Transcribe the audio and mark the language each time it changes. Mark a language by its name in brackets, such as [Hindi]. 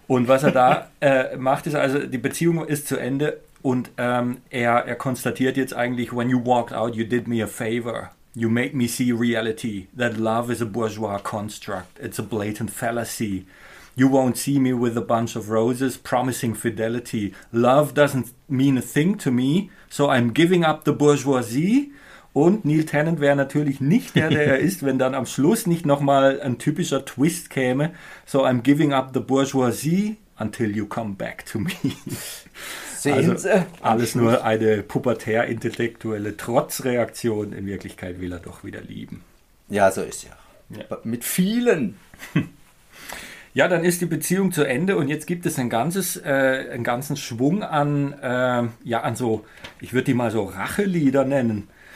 [German] Und was er da macht, ist also, die Beziehung ist zu Ende und er konstatiert jetzt eigentlich, [English] when you walked out, you did me a favor. You made me see reality, that love is a bourgeois construct. It's a blatant fallacy. You won't see me with a bunch of roses promising fidelity. Love doesn't mean a thing to me, so I'm giving up the bourgeoisie. [German] Und Neil Tennant wäre natürlich nicht der, der er ist, wenn dann am Schluss nicht nochmal ein typischer Twist käme. [English] So, I'm giving up the bourgeoisie until you come back to me. [German] Sehen also, Sie? Alles nur eine pubertär-intellektuelle Trotzreaktion. In Wirklichkeit will er doch wieder lieben. Ja, so ist ja. Mit vielen. Ja, dann ist die Beziehung zu Ende und jetzt gibt es einen ganzen Schwung an, an so, ich würde die mal so Rachelieder nennen.